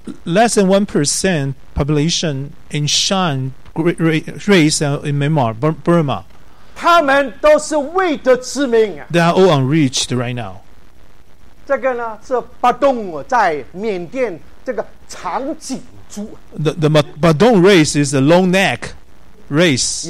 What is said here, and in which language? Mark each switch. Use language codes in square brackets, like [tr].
[en] Less than 1% population in Shan race in Myanmar, Burma. They are all unreached right now. [zh] 这个呢,是巴东在缅甸这个长颈族。 [en] The Badong race is a long neck race.